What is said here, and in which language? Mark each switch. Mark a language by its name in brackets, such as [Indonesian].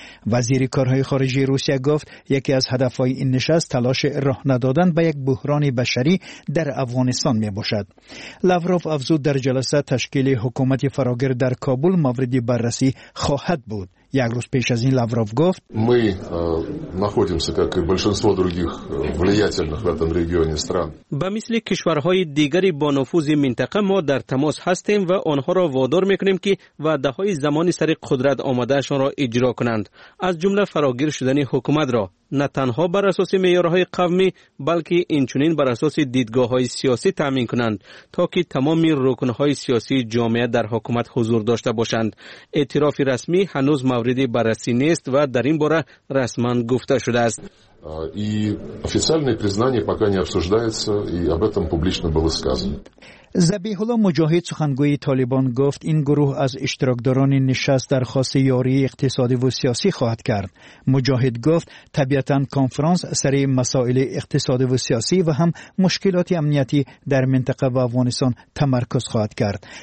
[Persian] وزیر کارهای خارجه روسیه گفت یکی از هدفهای این نشست تلاش راه ندادن به یک بحران بشری در افغانستان می باشد. لاوروف افزود در جلسه تشکیل حکومت فراگیر در کابل مورد بررسی خواهد بود. یک روز پیش از این لاوروف گفت [Ukrainian] ми знаходимся [Russian] как и большинство других влиятельных в этом регионе стран. [Persian] با مثل کشورهای دیگری با نفوذ منطقه ما در تماس هستیم و آنها را وادار میکنیم که وعده های زمانی سر قدرت آمده شان را اجرا کنند، از جمله فراگیر شدن حکومت را، نه تنها بر اساس معیارهای قومی بلکه اینچنین بر اساس دیدگاه های سیاسی تامین کنند تا که تمام رکن های سیاسی جامعه در حکومت حضور داشته باشند. اعتراف رسمی هنوز موردی بررسی نیست و در این باره رسما گفته شده است. [Russian] و официальное признание пока не обсуждается и об этом публично было сказано. [Persian] ذبیح الله مجاهد سخنگوی طالبان گفت این گروه از اشتراکداران نشست درخواست یاری اقتصادی و سیاسی خواهد کرد. مجاهد گفت طبیعتاً کنفرانس سر مسائل اقتصادی و سیاسی و هم مشکلات امنیتی در منطقه و افغانستان تمرکز خواهد کرد.